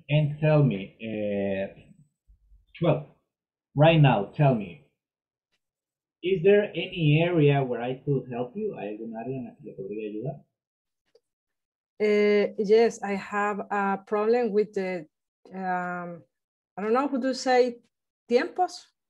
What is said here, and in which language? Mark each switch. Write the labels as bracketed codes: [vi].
[en] And tell me, right now, tell me, is there any area where I could help you? [es] ¿Hay algún área en la que le podría ayudar? [en] Yes, I have a problem with the, I don't know how to say, tiempos?